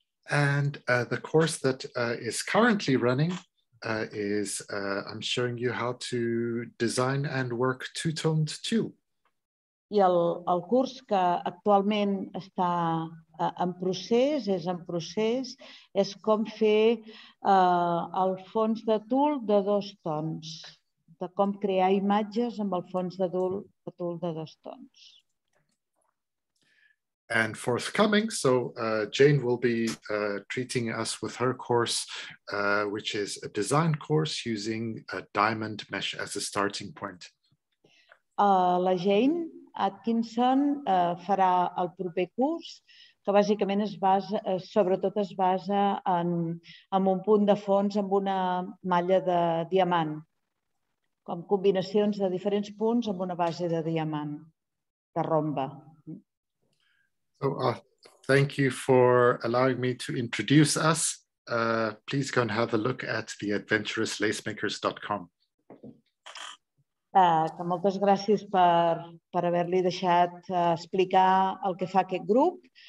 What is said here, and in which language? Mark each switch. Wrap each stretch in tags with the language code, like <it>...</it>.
<en>And the course that is currently running is I'm showing you how to design and work two-toned too.</en> <ca>I el curs que actualment està en procés, és com fer el fons de tul de dos tons, de com crear imatges amb el fons de tul de dos tons.</ca> <en>And forthcoming, so Jane will be treating us with her course, which is a design course using a diamond mesh as a starting point.</en> <ca>La Jane Atkinson farà el proper curs, que bàsicament es basa en un punt de fons amb una malla de diamant, com combinacions de diferents punts amb una base de diamant, de romba.</ca> <en>Oh, thank you for allowing me to introduce us. Please go and have a look at the adventurouslacemakers.com.</en> <ca>Que moltes gràcies per haver-li deixat explicar el que fa aquest grup.</ca>